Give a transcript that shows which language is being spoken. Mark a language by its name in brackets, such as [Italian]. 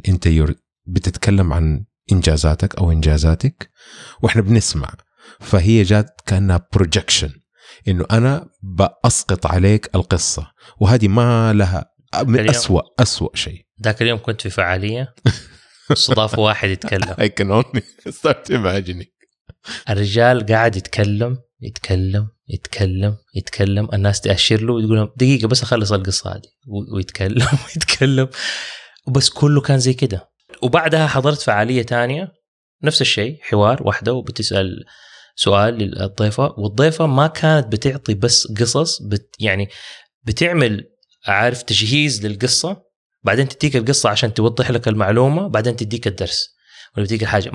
[Arabic] أنت بتتكلم عن إنجازاتك أو إنجازاتك وإحنا بنسمع، فهي جات كأنها بروجكشن، إنه أنا بأسقط عليك القصة، وهذه ما لها من أسوأ أسوأ شيء. ذاك اليوم كنت في فعالية استضاف واحد يتكلم. [English] I can only start imagining. [Arabic] الرجال قاعد يتكلم يتكلم يتكلم يتكلم، الناس تأشر له ويقول لهم دقيقة بس أخلص القصة هذه، ويتكلم ويتكلم وبس، كله كان زي كده. وبعدها حضرت فعالية تانية نفس الشيء، حوار واحدة وبتسأل سؤال للضيفة، والضيفة ما كانت بتعطي بس قصص، يعني بتعمل عارف تجهيز للقصة، بعدين تديك القصة عشان توضح لك المعلومة، بعدين تديك الدرس وتديك الحاجة.